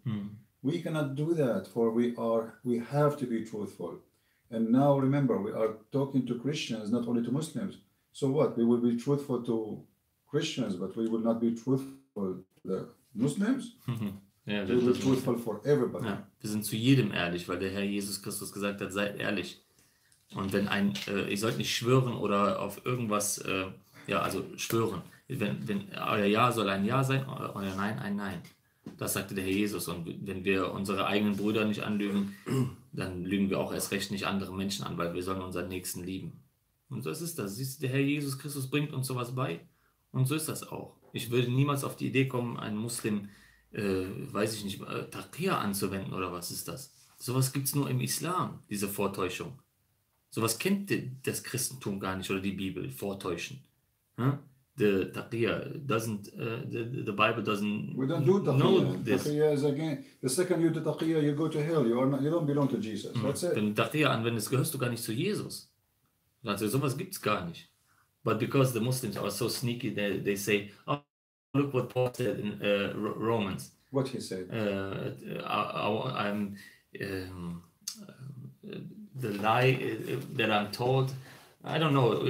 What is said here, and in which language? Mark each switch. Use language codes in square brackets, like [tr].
[en] Mm. We cannot do that, for we have to be truthful. And now, remember, we are talking to Christians, not only to Muslims. So what? We will be truthful to Christians, but we will not be truthful to the Muslims. [de] Ja, wir sind [en] truthful for everybody. [de] Ja, wir sind zu jedem ehrlich, weil der Herr Jesus Christus gesagt hat, seid ehrlich. Und wenn ein, ihr sollt nicht schwören oder auf irgendwas, ja, also schwören. Wenn euer Ja soll ein Ja sein, euer Nein ein Nein. Das sagte der Herr Jesus. Und wenn wir unsere eigenen Brüder nicht anlügen, dann lügen wir auch erst recht nicht andere Menschen an, weil wir sollen unseren Nächsten lieben. Und so ist das. Siehst du, der Herr Jesus Christus bringt uns sowas bei. Und so ist das auch. Ich würde niemals auf die Idee kommen, einen Muslim, Taqiyya anzuwenden oder was ist das? Sowas gibt es nur im Islam, diese Vortäuschung. Sowas kennt das Christentum gar nicht oder die Bibel, Vortäuschen. [en] Hm? The Taqiyya doesn't, the Bible doesn't. We don't do Taqiyya. Taqiyya is again, the second you do Taqiyya, you go to hell. You are not, you don't belong to Jesus. That's it. [de] Wenn du Taqiyya anwendest, gehörst du gar nicht zu Jesus. Also sowas gibt es gar nicht. [en] But because the Muslims are so sneaky, they say, oh, look what Paul said in Romans. What he said. The lie that I'm told, I don't know.